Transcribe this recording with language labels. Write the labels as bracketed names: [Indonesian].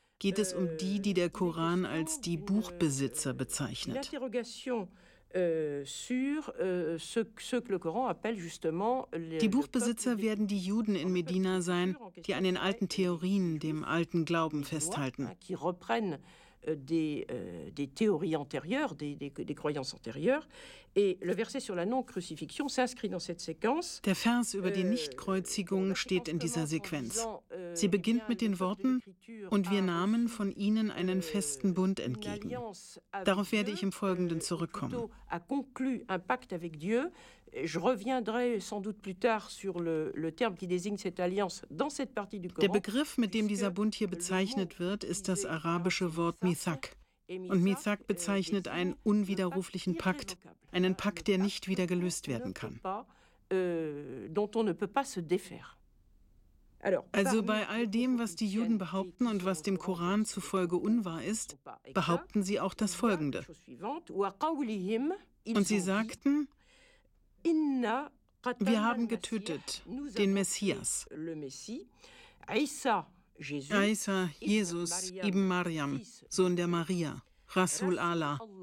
[German] geht es um die, die der Koran als die Buchbesitzer bezeichnet. Die Buchbesitzer werden die Juden in Medina sein, die an den alten Theorien, dem alten Glauben festhalten. [French] Des théories antérieures, des croyances antérieures. Et le verset sur la non-crucifixion s'inscrit dans cette séquence. [German] Der Vers über die Nichtkreuzigung steht in dieser Sequenz. Sie beginnt mit den Worten: Und wir nahmen von ihnen einen festen Bund entgegen. Darauf werde ich im Folgenden zurückkommen. [French] A conclu un pacte avec Dieu. Je reviendrai sans doute plus tard sur le terme qui désigne cette alliance dans cette partie du Coran. [German] Der Begriff, mit dem dieser Bund hier bezeichnet wird, ist das arabische Wort Mithaq. Und Mithaq bezeichnet einen unwiderruflichen Pakt, einen Pakt, der nicht wieder gelöst werden kann. [French] Dont on ne peut pas se défaire. [German] Also bei all dem, was die Juden behaupten und was dem Koran zufolge unwahr ist, behaupten sie auch das Folgende. Und sie sagten: Wir haben getötet den Messias, Isa, Jesus, Ibn Maryam, Sohn der Maria, Rasul Allah.